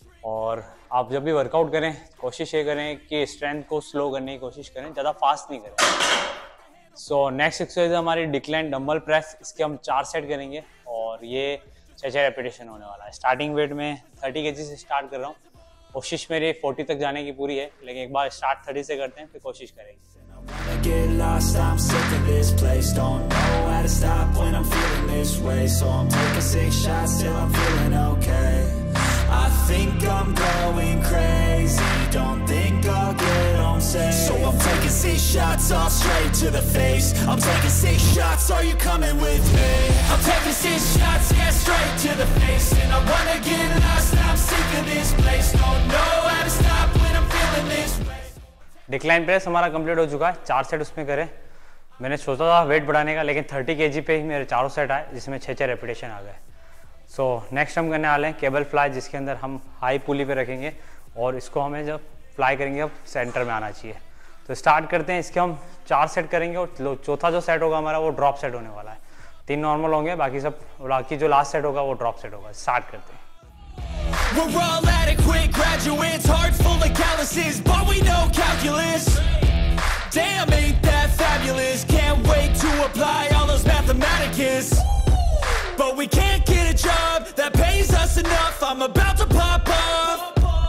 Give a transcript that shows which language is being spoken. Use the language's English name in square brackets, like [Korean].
[Hindi] और आप जब भी वर्कआउट करें, कोशिश ये करें कि स्ट्रेंथ को स्लो करने की कोशिश करें, ज़्यादा फास्ट नहीं करें। सो नेक्स्ट एक्सरसाइज हमारी डिक्लाइन डंबल प्रेस। इसके हम 4 सेट करेंगे और ये 6-6 रेपिटेशन होने वाला है। स्टार्टिंग वेट में 30 केजी से स्टार्ट कर रहा हूँ, कोशिश मेरी 40 तक जाने की पूरी है, लेकिन एक बार स्टार्ट 30 से करते हैं फिर कोशिश करेंगे। [English] Get lost, I'm sick of this place. Don't know how to stop when I'm feeling this way. So I'm taking 6 shots till I'm feeling okay. I think I'm going crazy. Don't think I'll get on safe. So I'm taking 6 shots all straight to the face. I'm taking 6 shots, are you coming with me? I'm taking 6 shots, yeah, straight to the face. And I wanna get lost, I'm sick of this place. Don't know how to stop when I'm feeling this way. [Hindi] Decline press हमारा complete हो चुका है, 4 set उसमें करें। मैंने सोचा था wait बढ़ाने का, लेकिन 30 केजी पे ही मेरे 4 सेट आए, जिसमें 6-6 रेपिटेशन आ गए। सो नेक्स्ट हम करने वाले हैं केबल फ्लाई, जिसके अंदर हम हाई पुली पे रखेंगे और इसको हमें जब फ्लाई करेंगे अब सेंटर में आना चाहिए। तो स्टार्ट करते हैं। इसके हम 4 सेट करेंगे और चौथा जो सेट होगा हमारा वो ड्रॉप सेट होने वाला है। 3 नॉर्मल होंगे, बाकी सब बाकी जो लास्ट सेट होगा वो ड्रॉप सेट होगा। स्टार्ट करते हैं। [English] We're all adequate graduates, heart full of calluses, but we know calculus. Damn, ain't that fabulous? Can't wait to apply all those mathematicus. But we can't get a job that pays us enough. I'm about to pop up.